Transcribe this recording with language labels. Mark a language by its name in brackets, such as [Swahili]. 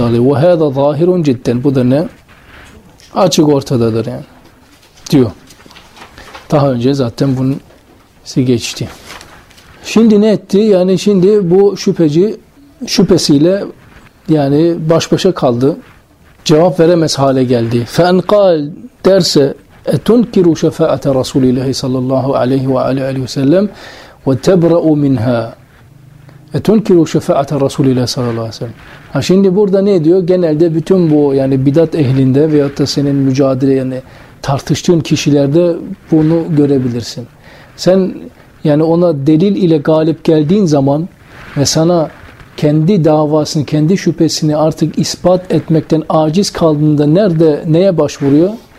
[Arabic] وَهَذَا ظَاهِرٌ جِدًّا. [Turkish] Bu da ne? Açık ortadadır yani. Diyor. Daha önce zaten bunun geçti. Şimdi ne etti? Yani şimdi bu şüpheci şüphesiyle yani baş başa kaldı. Cevap veremez hale geldi. [Arabic] فَاَنْقَالْ derse اَتُنْكِرُوا شَفَاءَةَ رَسُولِ اللّٰهِ صَلَّى اللّٰهُ عَلَيْهِ وَعَلَى عَلَيْهِ وَسَلَّمْ وَتَبْرَعُوا مِنْهَا اَتُنْكِرُوا شَفَاءَةَ رَسُولِ اللّٰهِ صَلَّى اللّٰهُ عَلَيْهِ وَسَلَّمْ. [Turkish] Ha şimdi burada ne diyor? Genelde bütün bu yani bidat ehlinde veyahut da senin mücadele yani tartıştığın kişilerde bunu görebilirsin. Sen yani ona delil ile galip geldiğin zaman ve sana kendi davasını, kendi şüphesini artık ispat etmekten aciz kaldığında nerede, neye başvuruyor?